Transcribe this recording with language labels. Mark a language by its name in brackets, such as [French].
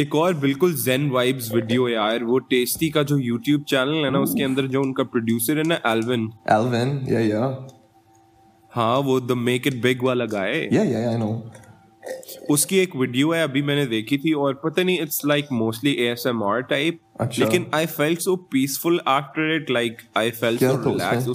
[Hindi] एक और बिल्कुल zen vibes video यार वो tasty का जो YouTube channel है ना उसके अंदर जो उनका producer है ना Alvin. [English] Alvin, yeah, yeah. [Hindi] हाँ वो [English] the make it big [Hindi] वाला guy. [English] Yeah, I know. [Hindi] उसकी एक video है अभी मैंने देखी थी और पता नहीं [English] it's like mostly ASMR type. [Hindi] अच्छा. लेकिन [English] I felt so peaceful after it like I felt so relaxed.